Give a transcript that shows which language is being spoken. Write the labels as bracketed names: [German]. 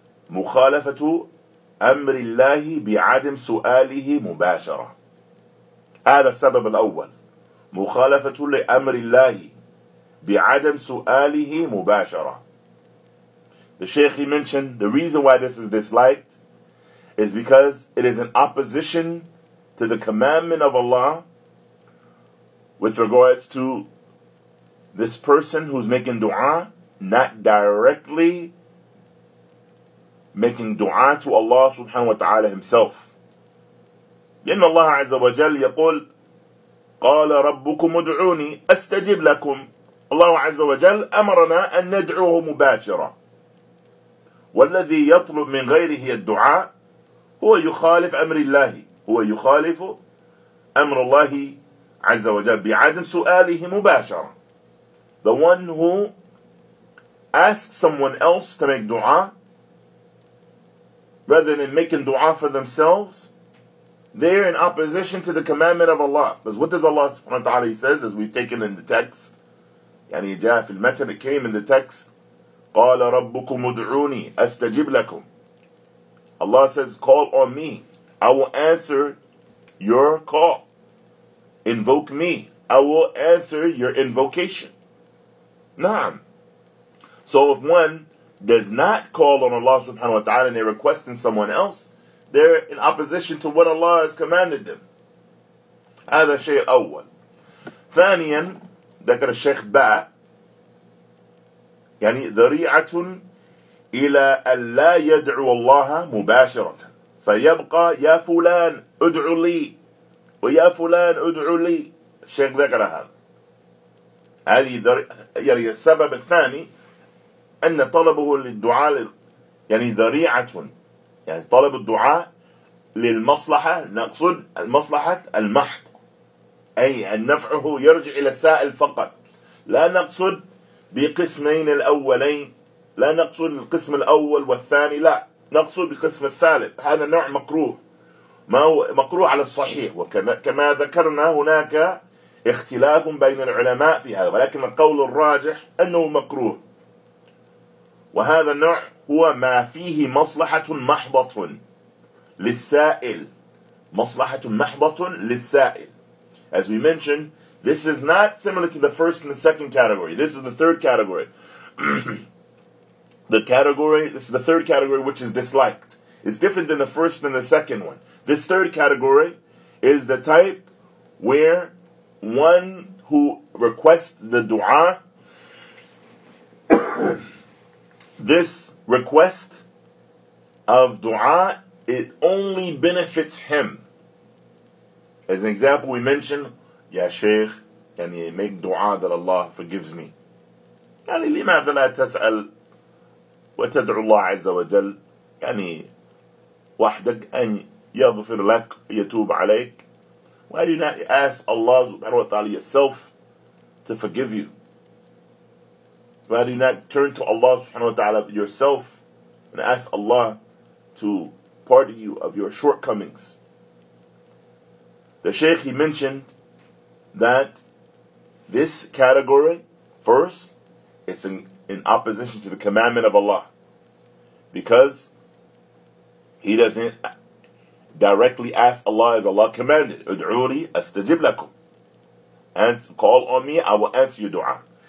[Arabic] مخالفة أمر الله بعدم سؤاله مباشرة، هذا السبب الأول. مخالفة لأمر الله بعدم سؤاله مباشرة. [English] The Sheikh he mentioned the reason why this is disliked is because it is in opposition to the commandment of Allah with regards to this person who's making dua not directly making dua to Allah subhanahu wa ta'ala himself. [Arabic] لأن الله عز وجل يقول قال ربكم ادعوني أستجب لكم. الله عز وجل أمرنا أن ندعوه مباشرة. والذي يطلب من غيره الدعاء هو يخالف أمر الله، هو يخالف أمر الله عز وجل بعدم سؤاله مباشرة. [English] The one who asks someone else to make dua rather than making dua for themselves, they're in opposition to the commandment of Allah. Because what does Allah subhanahu wa ta'ala says, as we've taken in the text, [Arabic] يعني جاء في المتن, [English] it came in the text, [Arabic] قال ربكم ادعوني أستجب لكم. [English] Allah says, call on me, I will answer your call. Invoke me, I will answer your invocation. [Arabic] نعم. [English] So if one does not call on Allah subhanahu wa ta'ala and they're requesting someone else, they're in opposition to what Allah has commanded them. [Arabic] هذا شيء أول. ثانيا ذكر الشيخ باء يعني ذريعة إلى أن لا يدعو الله مباشرة، فيبقى يا فلان ادعو لي ويا فلان ادعو لي. الشيخ ذكر هذا، هذه يعني السبب الثاني أن طلبه للدعاء يعني ذريعة، يعني طلب الدعاء للمصلحة، نقصد المصلحة المحض، أي نفعه يرجع إلى السائل فقط، لا نقصد بقسمين الأولين، لا نقصد القسم الأول والثاني، لا نقصد بقسم الثالث. هذا نوع مكروه، ما هو مكروه على الصحيح، وكما ذكرنا هناك اختلاف بين العلماء في هذا، ولكن القول الراجح أنه مكروه، وهذا النوع هو ما فيه مصلحة محضة للسائل، مصلحة محضة للسائل. [English] As we mentioned, this is not similar to the first and the second category. This is the third category. This is the third category which is disliked. It's different than the first and the second one. This third category is the type where one who requests the dua, this request of dua, it only benefits him. As an example, we mention, Ya Shaykh, can you make dua that Allah forgives me? [Arabic] يعني لماذا لا تسأل وتدعو الله عز وجل يعني وحدك أن يغفر لك يتوب عليك؟ [English] Why do you not ask Allah subhanahu wa ta'ala yourself to forgive you? Why do you not turn to Allah subhanahu wa ta'ala yourself and ask Allah to pardon you of your shortcomings? The Shaykh, he mentioned that this category, first, it's in opposition to the commandment of Allah, because he doesn't directly ask Allah as Allah commanded, [Arabic] ud'uli astajib lakum, [English] and call on me, I will answer your dua.